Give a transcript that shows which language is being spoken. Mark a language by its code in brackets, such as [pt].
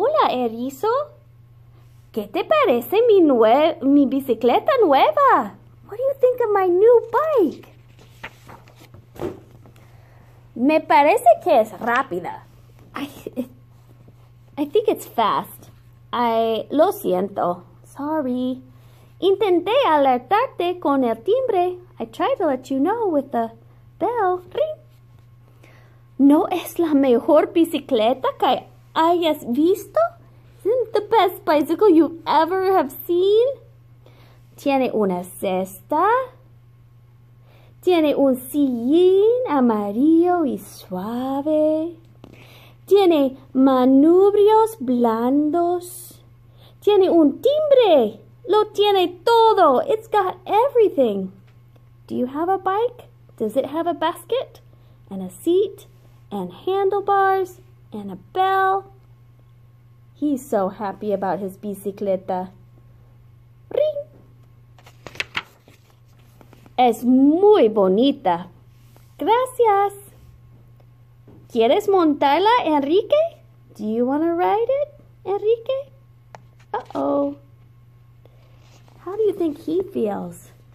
[es] Erizo, ¿qué te parece mi bicicleta nueva? [en] What do you think of my new bike? [es] Me parece que es rápida. [en] I think it's fast. [es] Lo siento. [en] Sorry. [es] Intenté alertarte con el timbre. [en] I tried to let you know with the bell. Ring. [es] No es la mejor bicicleta que hayas visto. [en] best bicycle you ever have seen? [es] ¿Tiene una cesta? ¿Tiene un sillín amarillo y suave? ¿Tiene manubrios blandos? ¿Tiene un timbre? ¡Lo tiene todo! [en] It's got everything. Do you have a bike? Does it have a basket? And a seat? And handlebars? And a bell? He's so happy about his bicicleta. Ring! [es] Es muy bonita. Gracias. ¿Quieres montarla, Enrique? [en] Do you want to ride it, Enrique? Uh-oh. How do you think he feels?